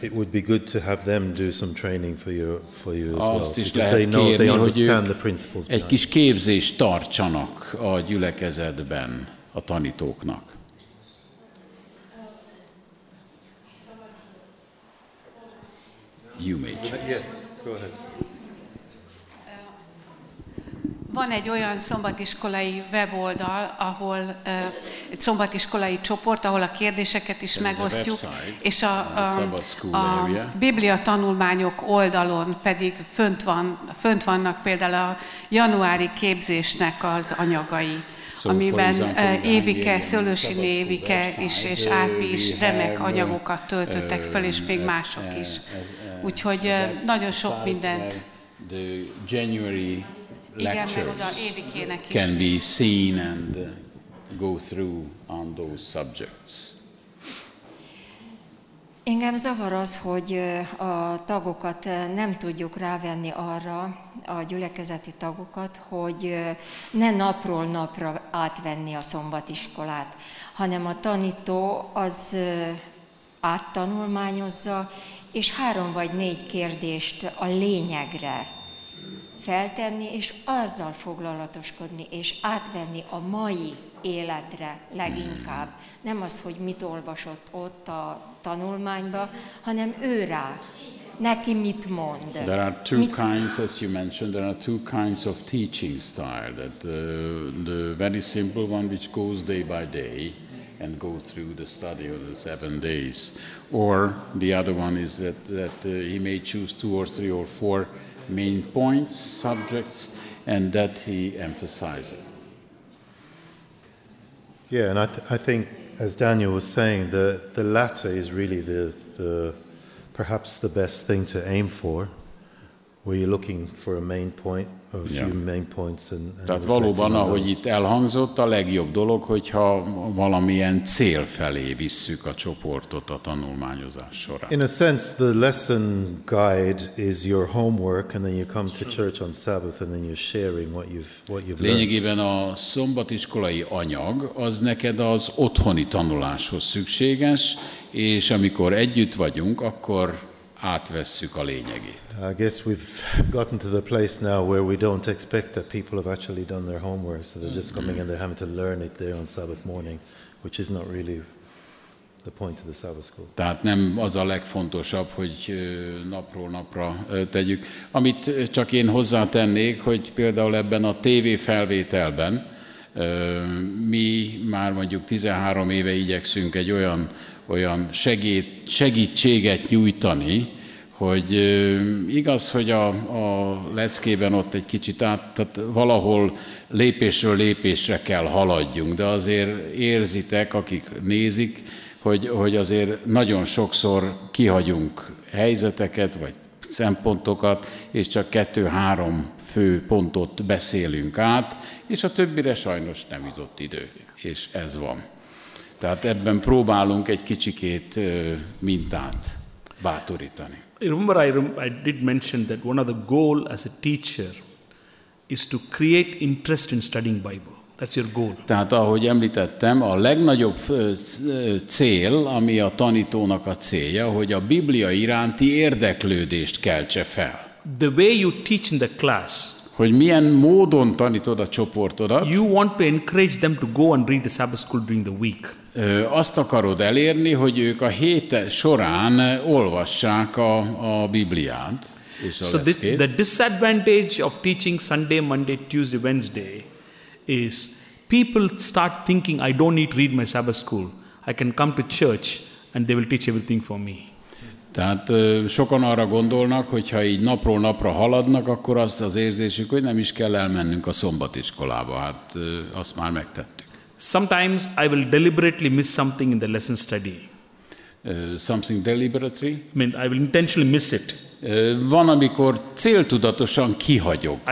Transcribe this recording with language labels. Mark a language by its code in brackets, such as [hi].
[en] it would be good to have them do some training for you as well. [hu] Azt is lehet kérni, hogy egy kis képzést tartsanak a gyülekezetben a tanítóknak. [en] You may change. Yes, go ahead. [hu] Van egy olyan szombatiskolai weboldal, ahol egy szombatiskolai csoport, ahol a kérdéseket is megosztjuk, és a Biblia tanulmányok oldalon pedig fönt vannak például a januári képzésnek az anyagai. So amiben Évike, Szőlősi Névike is, és Árpi is remek anyagokat töltöttek föl, és még mások is. Úgyhogy nagyon sok mindent. [en] The January lectures, [hu] igen, meg oda Évikének is. [en] Can be seen and go through on those subjects. [hu] Engem zavar az, hogy a tagokat nem tudjuk rávenni arra, a gyülekezeti tagokat, hogy ne napról napra átvenni a szombatiskolát, hanem a tanító az áttanulmányozza, és három vagy négy kérdést a lényegre feltenni, és azzal foglalatoskodni, és átvenni a mai életre leginkább. Nem az, hogy mit olvasott ott a tanulmányba, hanem ő rá. Neki mit mond? [en] There are two kinds, as you mentioned, there are two kinds of teaching style. That the very simple one, which goes day by day and goes through the study of the 7 days. Or the other one is that he may choose two or three or four main points, subjects, and that he emphasizes. Yeah, and I think, as Daniel was saying, the latter is really the perhaps the best thing to aim for, where you're looking for a main point, a few main points, and [hu] tehát valóban, ahogy itt elhangzott, a legjobb dolog, hogyha valamilyen cél felé visszük a csoportot a tanulmányozás során. [en] In a sense, the lesson guide is your homework, and then you come to church on Sabbath, and then you're sharing what you've learned. [hu] Lényegében a szombatiskolai anyag az neked az otthoni tanuláshoz szükséges, és amikor együtt vagyunk, akkor átvesszük a lényegét. [en] I guess we've gotten to the place now where we don't expect that people have actually done their homework, so they're just coming and they're having to learn it there on Sabbath morning, which is not really the point of the Sabbath school. [hu] Tehát nem az a legfontosabb, hogy napról napra tegyük. Amit csak én hozzátennék, hogy például ebben a tévéfelvételben mi már mondjuk 13 éve igyekszünk egy olyan segítséget nyújtani, hogy igaz, hogy a leckében ott egy kicsit tehát valahol lépésről lépésre kell haladjunk, de azért érzitek, akik nézik, hogy azért nagyon sokszor kihagyunk helyzeteket, vagy szempontokat, és csak 2-3 fő pontot beszélünk át, és a többire sajnos nem jutott idő, és ez van. Tehát ebben próbálunk egy kicsikét mintát bátorítani. [en] Remember, I did mention that one of the goal as a teacher is to create interest in studying Bible. That's your goal. [hu] Tehát ahogy említettem, a legnagyobb cél, ami a tanítónak a célja, hogy a Biblia iránti érdeklődést keltse fel. [en] The way you teach in the class. [hu] Hogy milyen módon tanítod a csoportodat. [en] You want to encourage them to go and read the Sabbath school during the week. [hu] Azt akarod elérni, hogy ők a hét során olvassák a Bibliát. És [en] so the disadvantage of teaching Sunday, Monday, Tuesday, Wednesday is people start thinking I don't need to read my Sabbath school. I can come to church and they will teach everything for me. [hu] Tehát sokan arra gondolnak, hogyha így napról napra haladnak, akkor azt az érzésük, hogy nem is kell elmennünk a szombatiskolába. Hát azt már megtettük. [en] Sometimes I will deliberately miss something in the lesson study. Something deliberately? I mean, I will intentionally miss it. [hu] Van, amikor céltudatosan kihagyok